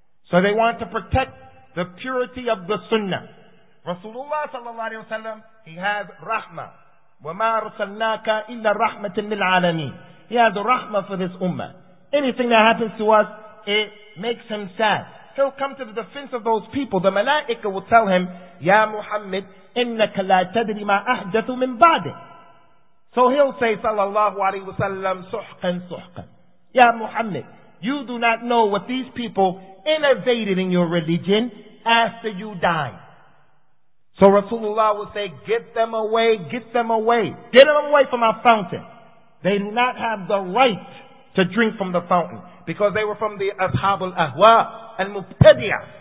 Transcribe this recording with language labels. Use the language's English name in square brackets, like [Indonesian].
[English] So they want to protect the purity of the sunnah. Rasulullah sallallahu alayhi wa sallam, he has rahmah. [Arabic] وَمَا رُسَلْنَاكَ إِلَّا رَحْمَةٍ لِلْعَالَمِينَ. [English] He has rahmah for this ummah. Anything that happens to us, it makes him sad. He'll come to the defense of those people. The malaika will tell him, [Arabic] يَا مُحَمَّدْ إِنَّكَ لَا تَدْرِي مَا أَحْدَثُ مِنْ بَعْدِهِ. [English] So he'll say, sallallahu alayhi wa sallam, [Arabic] سُحْقًا سُحْقًا. يَا مُحَمَّدْ, [English] you do not know what these people innovated in your religion after you die. So Rasulullah would say, get them away, get them away. Get them away from our fountain. They do not have the right to drink from the fountain because they were from the Ashab al-Ahwa al-Mubtadiyah.